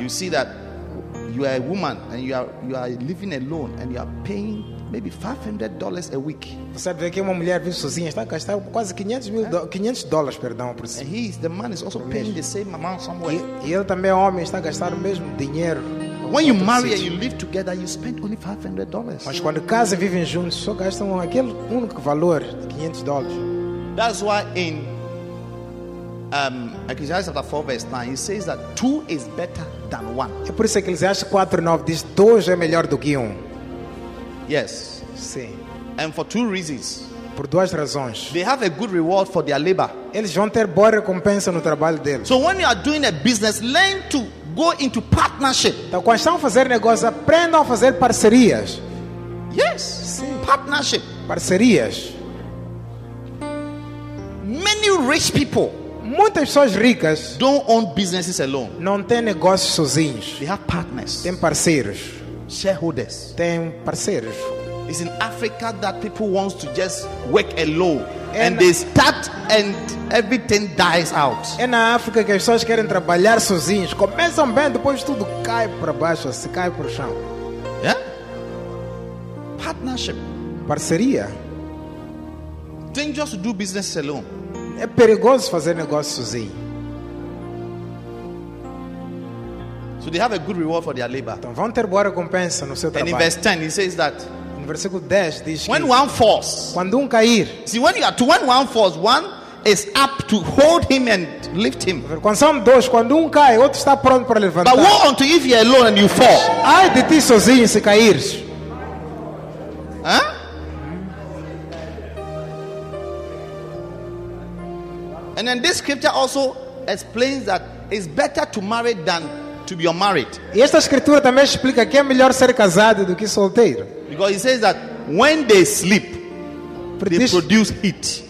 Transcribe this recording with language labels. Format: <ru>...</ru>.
<en>You see that you are a woman and you are living alone and you are paying maybe $500 a week.</en> <pt>Você vê que uma mulher vive sozinha está gastando quase $500, perdão, por isso.</pt> <en>And the man is also paying the same amount somewhere.</en> <pt>E ele também é homem está gastando o mesmo dinheiro.</pt> <en>When you marry and you live together, you spend only $500.</en> <pt>Mas quando casam e vivem juntos, só gastam aquele único valor de $500.</pt> <en>That's why in Eclesiastes chapter 4 verse 9, it says that two is better than one.</en> <pt>É por isso que Eclesiastes 4:9 diz dois é melhor do que um.</pt> <en>Yes.</en> <pt>Sim.</pt> <en>And for two reasons.</en> <pt>Por duas razões.</pt> <en>They have a good reward for their labor.</en> <pt>Eles vão ter boa recompensa no trabalho deles.</pt> <en>So when you are doing a business, learn to go into partnership.</en> <pt>Então quando estão a fazer negócio, aprendam a fazer parcerias.</pt> <en>Yes.</en> <pt>Sim.</pt> <en>Partnership.</en> <pt>Parcerias.</pt> <en>Many rich people.</en> <pt>Muitas pessoas ricas</pt> <en>don't own businesses alone.</en> <pt>Não têm negócios sozinhos.</pt> <en>They have partners.</en> <pt>Têm parceiros.</pt> <en>Shareholders.</en> <pt>Têm parceiros.</pt> <en>It's in Africa that people want to just work alone, and they start and everything dies out.</en> <pt>É na África que as pessoas querem trabalhar sozinhos. Começam bem, depois tudo cai para baixo, se cai para o chão.</pt> <en>Yeah? Partnership.</en> <pt>Parceria.</pt> <en>Dangerous to do business alone.</en> <pt>É perigoso fazer negócio sozinho.</pt> <en>So they have a good reward for their labor.</en> <pt>Então vão ter boa recompensa no seu trabalho.</pt> <en>And in verse 10, he says that.</en> <pt>No versículo 10 diz</pt> <en>when</en> <pt>que</pt> <en>one falls,</en> <pt>quando um cair,</pt> <en>see when you are to when one falls, one is up to hold him and lift him.</en> <pt>Quando são dois, quando um cai, outro está pronto para levantar.</pt> <en>But woe unto if you are alone and you fall.</en> <pt>Ai de ti sozinho se cair.</pt> <en>And then this scripture also explains that it's better to marry than to be unmarried.</en> <pt>E esta escritura também explica que é melhor ser casado do que solteiro.</pt> <en>Because it says that when they sleep, they produce heat.</en>